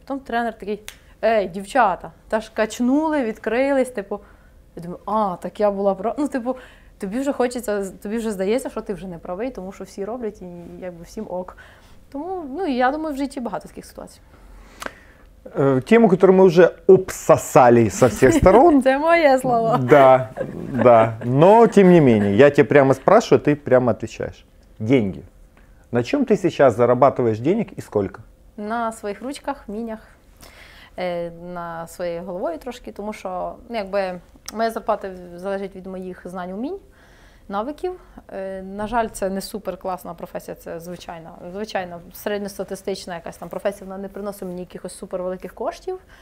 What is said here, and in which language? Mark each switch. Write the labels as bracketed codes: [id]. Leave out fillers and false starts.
[uk] Потім тренер такий: ей, дівчата, та ж качнули, відкрились. Типу, я думаю, а, так я була права. Ну, типу, тобі вже хочеться, тобі вже здається, що ти вже не правий, тому що всі роблять і якби всім ок. Тому, ну, я думаю, в житті багато таких ситуацій. [ru] Тему, которую мы уже обсосали со всех сторон. Это мое слово. Да, да. Но, тем не менее, я тебя прямо спрашиваю, ты прямо отвечаешь. Деньги. На чем ты сейчас зарабатываешь денег и сколько? На своих ручках, минях. [uk] на своєю головою трошки, тому що якби моя зарплата залежить від моїх знань, умінь, навиків. На жаль, це не супер класна професія, це звичайна, звичайно, середньостатистична якась там професія, вона не приносить мені якихось супер великих коштів.